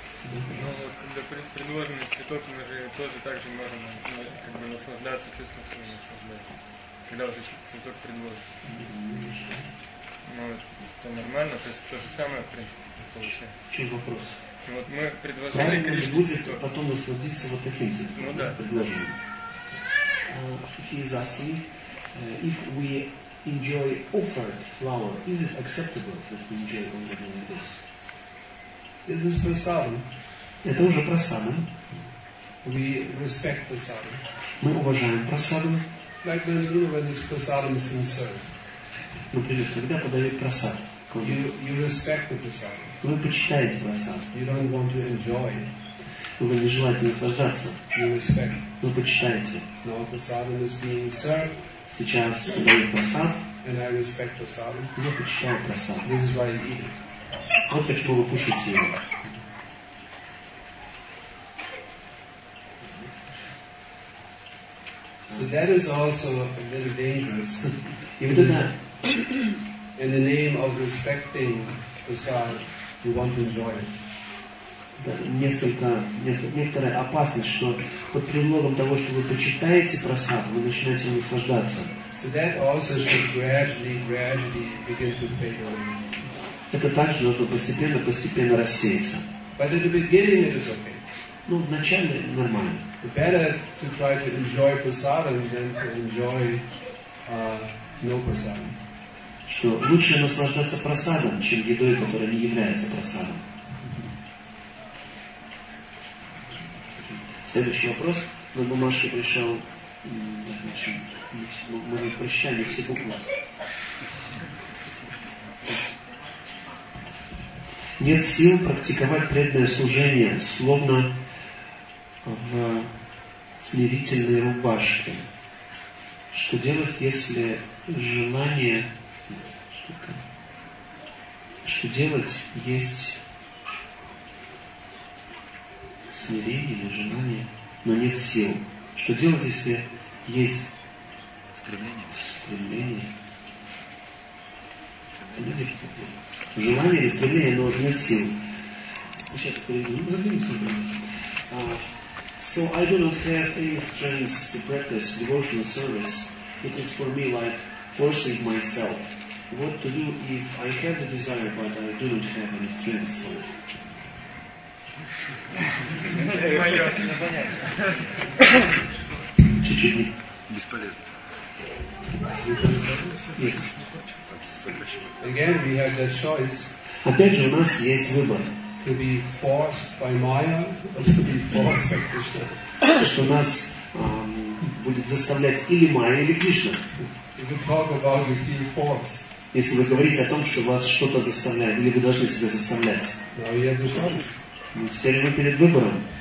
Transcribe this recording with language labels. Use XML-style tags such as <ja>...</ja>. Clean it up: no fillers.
<ru>Когда предложенный цветок, мы же тоже так же можем как бы наслаждаться чувством своего наслаждения. Когда уже цветок предложен. Ну, это нормально, то есть то же самое, в принципе, получается. В чем вопрос? Вот мы предложили Кришне будет цветок. Потом насладиться вот таким цветом. Ну да. Предложим.</ru> <en>He is asking, if we enjoy offered flower, is it acceptable that we enjoy only like this? This is prasadam.</en> <ru>Это уже прасадам.</ru> <en>We respect prasadam.</en> <ru>Мы уважаем прасадам.</ru> <en>Like when, you know, when this prasadam is being served.</en> <ru>Например, когда подают прасад.</ru> <en>You respect the prasadam.</en> <ru>Вы почитаете прасад.</ru> <en>You don't want to enjoy.</en> <ru>Вы не желаете наслаждаться.</ru> <en>You respect.</en> <ru>Вы почитаете.</ru> <en>No, prasadam is being served.</en> <ru>Сейчас подают прасад.</ru> <en>And I respect prasadam.</en> <ru>Я почитаю прасад.</ru> <en>This is why I eat.</en> <ru>Вот почему вы кушаете его.</ru> <en>So that is also a little dangerous.</en> <ru>И вот это.</ru> <en>In the name of respecting prasad, you want to enjoy it.</en> <ru>Да, некоторая опасность, что под предлогом того, что вы почитаете прасад, вы начинаете наслаждаться.</ru> <en>So that also should gradually begin to fade away.</en> <ru>Это также должно постепенно рассеяться.</ru> <en>But at the beginning it is okay.</en> <ru>Ну, вначале нормально.</ru> <en>The better to try to enjoy prasadam than to enjoy no prasadam.</en> <ru>Что лучше наслаждаться прасадом, чем едой, которая не является прасадом. Следующий вопрос. На бумажке пришел. Мы не прощали все буквы. Нет сил практиковать преданное служение, словно в смирительной рубашке. Что делать, если желание... Что делать, есть смирение, желание, но нет сил. Что делать, если есть стремление? Желание или стремление, но нет сил. Сейчас перейдем.</ru> <en>So I do not have any strength to practice devotional service. It is for me like forcing myself. What to do if I have the desire but I do not have any strength for it?</en> <ru>Чуть-чуть. Бесполезно.</ru> <en>Yes. Again, we have that choice.</en> <ru>Опять же, у нас есть выбор.</ru> <en>To be forced by Maya or to be forced by Krishna.</en> <ru>Что нас будет заставлять или Maya, или Krishna.</ru> <en>We can talk about you feel forced.</en> <ru>Если вы говорите о том, что вас что-то заставляет, или вы должны себя заставлять. Ну, теперь вы перед выбором.</ru>